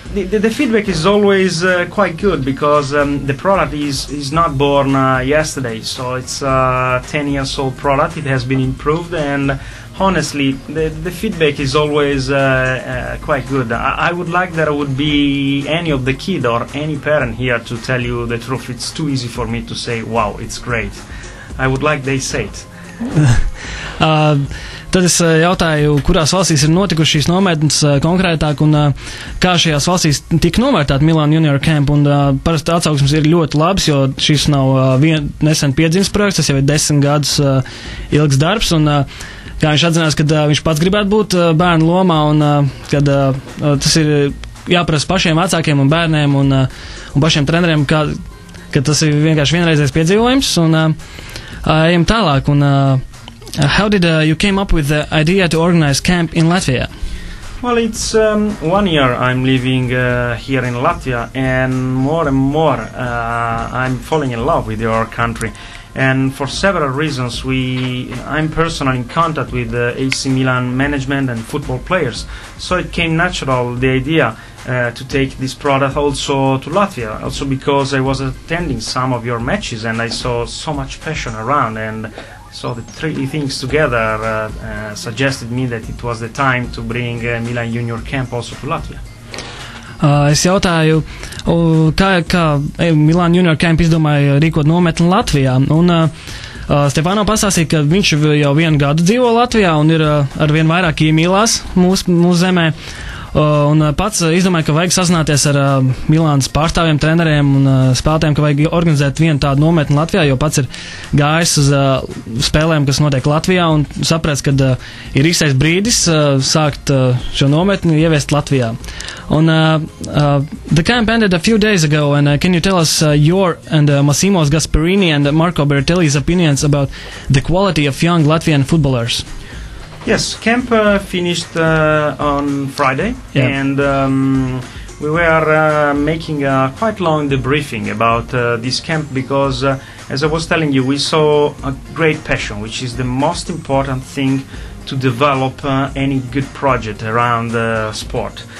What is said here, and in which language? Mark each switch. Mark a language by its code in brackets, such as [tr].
[en] The feedback is always quite good, because the product is not born yesterday, so it's a 10-year-old old product. It has been improved, and honestly, the feedback is always quite good. I would like that it would be any of the kid or any parent here to tell you the truth. It's too easy for me to say, wow, it's great. I would like they say it. [lv] Tad es jautāju, kurās valstīs ir notikušas šīs nometnes konkrētāk, un kā šajās valstīs tika novērtāt Milan Junior Camp, un parasti atsauksmes ir ļoti labs, jo šis nav nesen piedzimis projekts, tas jau ir 10 gadus ilgs darbs, un kā viņš atzinās, ka viņš pats gribētu būt bērnu lomā, un kad tas ir jāprasa pašiem vecākiem un bērniem un pašiem treneriem, ka tas ir vienkārši vienreizais piedzīvojums, un ejam tālāk, un... [en] How did you came up with the idea to organize camp in Latvia? Well, it's 1 year I'm living here in Latvia, and more I'm falling in love with your country. And for several reasons, I'm personally in contact with the AC Milan management and football players. So it came natural, the idea, to take this product also to Latvia. Also because I was attending some of your matches and I saw so much passion around, and so the three things together suggested me that it was the time to bring Milan Junior Camp also to Latvia. [lv] Es jautāju, kā Milan Junior Camp izdomāja rīkot nometni Latvijā, un Stefano pasāstīja, ka viņš jau vienu gadu dzīvo Latvijā un ir arvien vairāk iemīlās mūsu zemē, Un pats izdomāju, ka vajag sazināties ar Milānas pārstāvjiem, treneriem un spēlētājiem, ka vajag organizēt vienu tādu nometni Latvijā, jo pats ir gājis uz spēlēm, kas notiek Latvijā, un saprēc, ka ir īstais brīdis sākt šo nometni ieviest Latvijā. Un, [en] the camp ended a few days ago, and can you tell us your and Massimo Gasparini and Marco Bertelli's opinions about the quality of young Latvian footballers? Yes, camp finished on Friday, yeah. And we were making a quite long debriefing about this camp because, as I was telling you, we saw a great passion, which is the most important thing to develop any good project around sport.